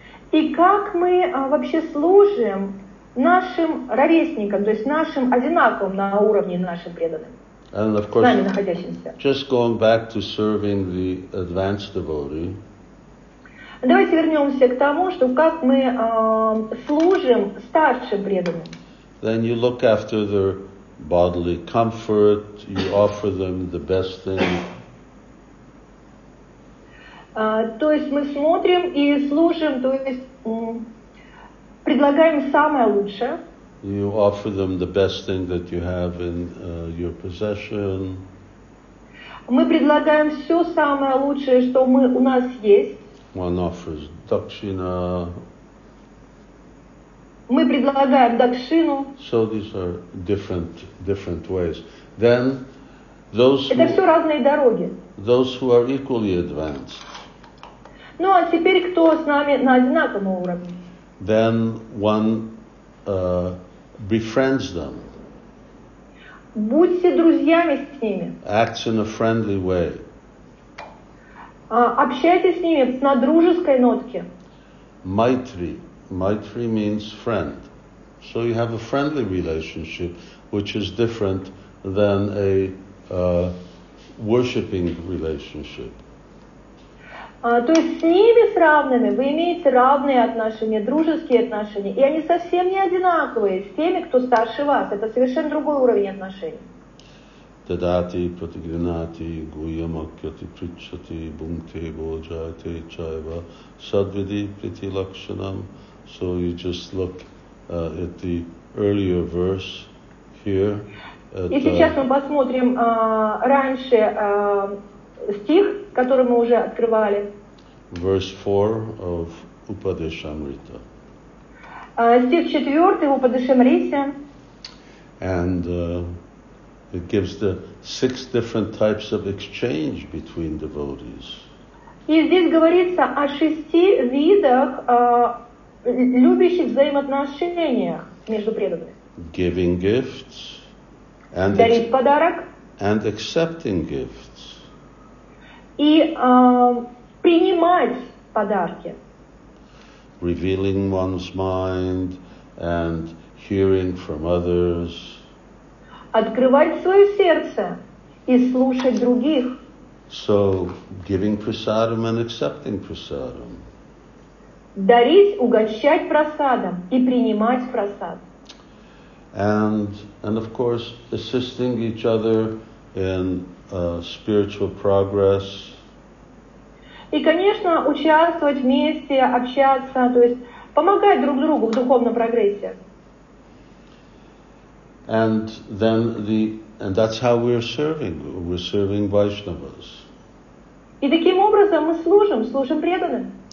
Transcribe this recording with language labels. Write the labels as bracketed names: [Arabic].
[Russian] И как мы вообще служим нашим ровесникам, то есть нашим одинаковым на уровне нашим преданным, [English] and of course, [Russian] с нами находящимся. [English] Just going back to serving the advanced devotee. [Russian] Давайте вернемся к тому, что как мы служим старшим преданным. [English] Then you look after their bodily comfort, you offer them the best thing. [Russian] То есть мы смотрим и служим, то есть предлагаем самое лучшее. [English] You offer them the best thing that you have in your possession. [Russian] Мы предлагаем все самое лучшее, что мы у нас есть. [English] One offers дакшина. [Russian] Мы предлагаем дакшину. [English] So these are different ways. Then those. [Russian] Это все разные дороги. [English] Those who are equally advanced. [Russian] Ну а теперь кто с нами на одинаковом уровне? [English] Then one befriends them. [Russian] Будьте друзьями с ними. [English] Acts in a friendly way. [Russian] Общайтесь с ними на дружеской нотке. [English] Maitri. Maitri means friend. So you have a friendly relationship, which is different than a worshipping relationship. [Russian] То есть с ними, с равными, вы имеете равные отношения, дружеские отношения, и они совсем не одинаковые с теми, кто старше вас. Это совершенно другой уровень отношений. [Sanskrit] Tadati pratigrinati guhyamakyati pritchati bhunkte bojate chayva sadvidi priti lakshanam. [English] So you just look at the earlier verse here. [Russian] Если сейчас мы посмотрим раньше стих, который мы уже открывали. [English] Verse 4 of Upadeshamrita. [Russian] Стих 4 в Упадешамрите. [English] And it gives the six different types of exchange between devotees. [Russian] И здесь говорится о шести видах любящих взаимоотношениях между преданными. [English] Giving gifts. And [Russian] дарить подарок. [English] And accepting gifts. [Russian] И принимать подарки. [English] Revealing one's mind and hearing from others. [Russian] Открывать свое сердце и слушать других. [English] So, giving prasadam and accepting prasadam. [Russian] Дарить, угощать прасадом и принимать прасад. [English] And of course, assisting each other in spiritual progress. [Russian] И, конечно, участвовать вместе, общаться, то есть помогать друг другу в духовном прогрессе. [English] And that's how we're serving Vaishnavas. [Russian] И таким образом мы служим преданным.